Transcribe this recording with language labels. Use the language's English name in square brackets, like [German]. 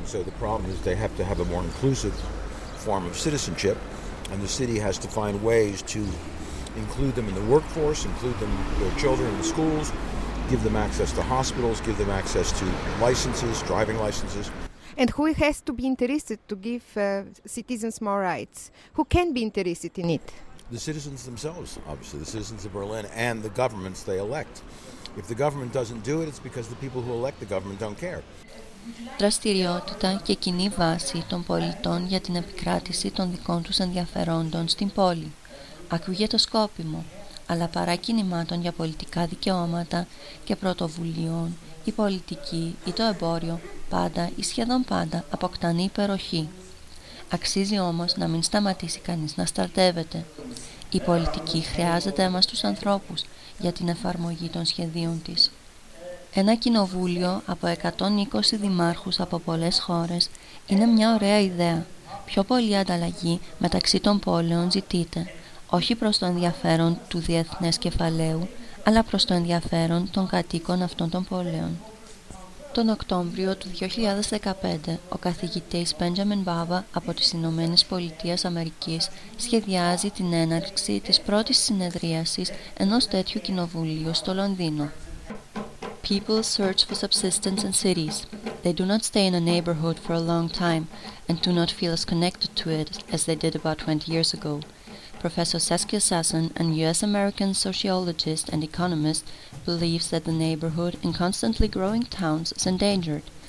[English] So the problem is they have to have a more inclusive form of citizenship, and the city has to find ways to include them in the workforce, include them, their children in the schools, give them access to hospitals, give them access to licenses, driving licenses. And who has to be interested to give citizens more rights? Who can be interested in it? The citizens themselves, obviously, the citizens of Berlin and the governments they elect. If the government doesn't do it, it's because the people who elect the government don't care. [Greek] Δραστηριότητα και κοινή βάση των πολιτών για την επικράτηση των δικών τους ενδιαφερόντων στην πόλη. Ακούγεται σκόπιμο, αλλά παρά κινημάτων για πολιτικά δικαιώματα και πρωτοβουλίων, η πολιτική ή το εμπόριο πάντα ή σχεδόν πάντα αποκτάνει υπεροχή. Αξίζει όμως να μην σταματήσει κανείς να στρατεύεται. Η πολιτική χρειάζεται εμάς τους ανθρώπους για την εφαρμογή των σχεδίων της. Ένα κοινοβούλιο από 120 δημάρχους από πολλές χώρες είναι μια ωραία ιδέα. Πιο πολλή ανταλλαγή μεταξύ των πόλεων ζητείται, όχι προς το ενδιαφέρον του διεθνές κεφαλαίου, αλλά προς το ενδιαφέρον των κατοίκων αυτών των πόλεων. Τον Οκτώβριο του 2015, ο καθηγητής Benjamin Barber από τις Ηνωμένες Πολιτείες Αμερικής σχεδιάζει την έναρξη της πρώτης συνεδρίασης ενός τέτοιου κοινοβουλίου στο Λονδίνο. [English] People search for subsistence in cities. They do not stay in a neighborhood for a long time and do not feel as connected to it as they did about 20 years ago. Professor Saskia Sassen, a U.S.-American sociologist and economist, believes that the neighborhood in constantly growing towns is endangered.